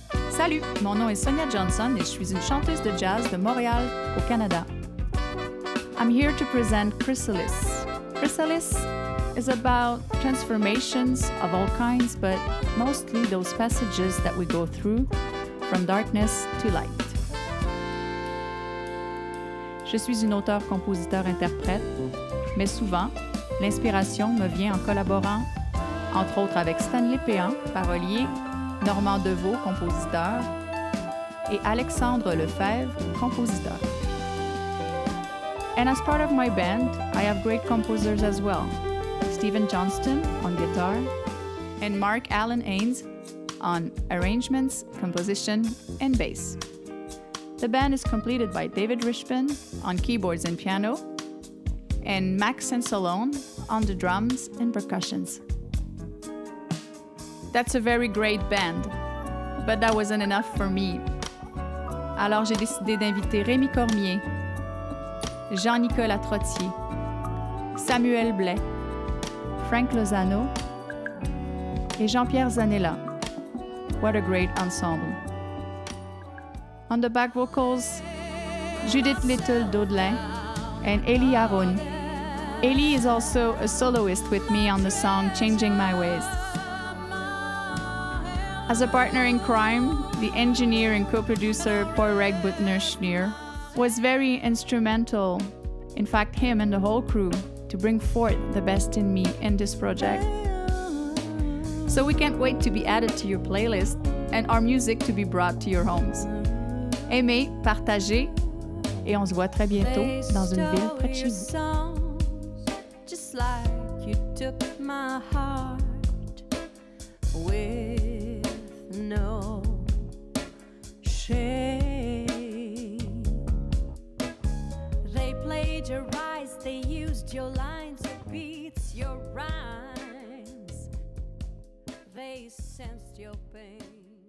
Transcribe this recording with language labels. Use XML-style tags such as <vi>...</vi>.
<fr>Salut, mon nom est Sonia Johnson et je suis une chanteuse de jazz de Montréal, au Canada.</fr> <en>I'm here to present Chrysalis. Chrysalis is about transformations of all kinds, but mostly those passages that we go through from darkness to light.</en> <fr>Je suis une auteure-compositeur-interprète, mais souvent, l'inspiration me vient en collaborant, entre autres avec Stanley Péan, parolier, Normand Devaux, compositeur, et Alexandre Lefebvre, compositeur.</fr> <en>And as part of my band, I have great composers as well. Stephen Johnston on guitar, and Mark Allen Ains on arrangements, composition, and bass. The band is completed by David Rishpin on keyboards and piano, and Max Sansalone on the drums and percussions. That's a very great band, but that wasn't enough for me.</en> <fr>Alors j'ai décidé d'inviter Rémi Cormier, Jean-Nicolas Trottier, Samuel Blais, Frank Lozano, et Jean-Pierre Zanella.</fr> <en>What a great ensemble. On the back vocals, Judith Little-Daudelin and Ellie Aron. Ellie is also a soloist with me on the song Changing My Ways. As a partner in crime, the engineer and co-producer Poyreg Butner-Schneer was very instrumental, in fact him and the whole crew, to bring forth the best in me in this project. So we can't wait to be added to your playlist and our music to be brought to your homes.</en> <fr>Aimez, partagez, et on se voit très bientôt dans une ville près de chez vous.</fr> <en>Just like you took my heart with no shame. They plagiarized, they used your lines, your beats, your rhymes. They sensed your pain.</en>